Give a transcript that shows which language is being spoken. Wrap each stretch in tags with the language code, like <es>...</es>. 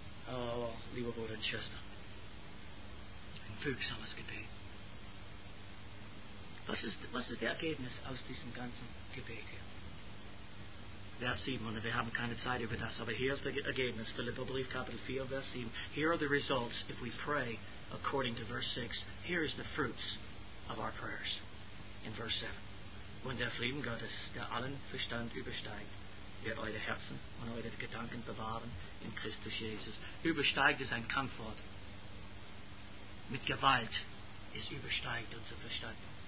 <de>Oh, lieber Bruder und Schwester, ein fügsames Gebet. Was ist das Ergebnis aus diesem ganzen Gebet hier? Vers 7, und wir haben keine Zeit über das, aber hier ist das Ergebnis, Philipperbrief Kapitel 4, Vers 7.</de> <en>Here are the results if we pray according to verse 6. Here is the fruits of our prayers. In verse 7.</en> <de>Und der Frieden Gottes, der allen Verstand übersteigt, wird eure Herzen und eure Gedanken bewahren in Christus Jesus. Übersteigt ist ein Kampfwort. Mit Gewalt ist übersteigt unser Verstand.</de>